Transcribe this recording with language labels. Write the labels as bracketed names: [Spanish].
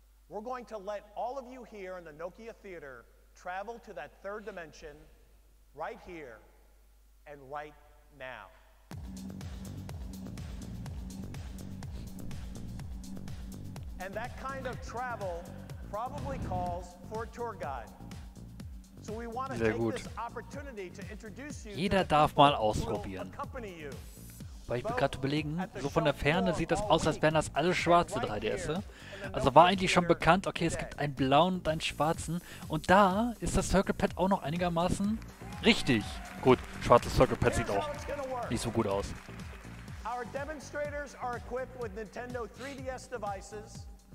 [English] We're going to let all of you here in the Nokia Theater travel to that third dimension right here and right now. And that kind of travel probably calls for a tour guide. So we want to take this opportunity to introduce you. [German] Jeder darf mal ausprobieren. Weil ich bin gerade überlegen, so von der Ferne sieht das aus, als wären das alle schwarze 3DS. Also war eigentlich schon bekannt, okay, es gibt einen blauen und einen schwarzen. Und da ist das Circle Pad auch noch einigermaßen richtig. Gut, schwarzes Circle Pad sieht auch nicht so gut aus. [English] Our demonstrators are equipped with Nintendo 3DS devices.